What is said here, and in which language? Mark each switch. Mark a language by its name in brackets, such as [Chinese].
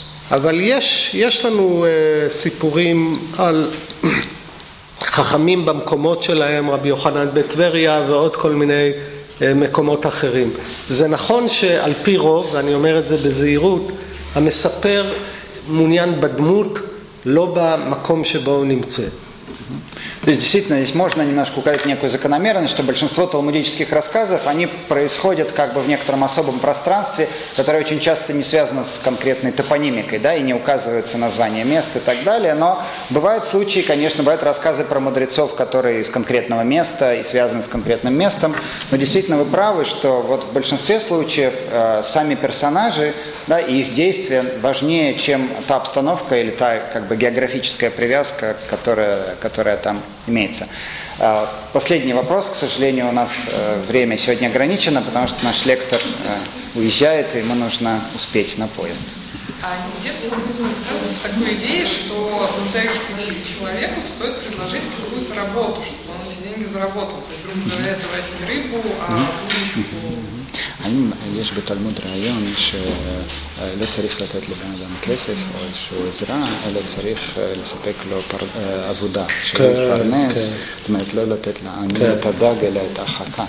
[Hebrew] אבל יש לנו סיפורים על חכמים במקומות שלהם, רבי יוחנן בטבריה ועוד כל מיני מקומות אחרים. זה נכון שעל פי רוב, ואני אומר את זה בזהירות, המספר מעוניין בדמות, לא במקום שבו הוא נמצא. [Russian] То есть, действительно, здесь можно немножко указать некую закономерность, что большинство талмудических рассказов, они происходят как бы в некотором особом пространстве, которое очень часто не связано с конкретной топонимикой, да, и не указывается название мест и так далее. Но бывают случаи, конечно, бывают рассказы про мудрецов, которые из конкретного места и связаны с конкретным местом. Но действительно, вы правы, что вот в большинстве случаев сами персонажи, да, и их действия важнее, чем та обстановка или та как бы географическая привязка, которая там имеется. Последний вопрос, к сожалению, у нас время сегодня ограничено, потому что наш лектор уезжает, и ему нужно успеть на поезд. А где в Талмуде сказывается такая идея, что обучающему человеку стоит предложить какую-то работу, чтобы он эти деньги заработал? То есть, грубо говоря, давать не рыбу, а будущую. Есть бы Талмуд район, еще [Hebrew] לא צריך לתת לבן אדם כסף או איזשהו עזרה, אלא צריך לספק לו עבודה, שיפרנס, זאת אומרת, לא לתת לעני את הדג, אלא את החכה.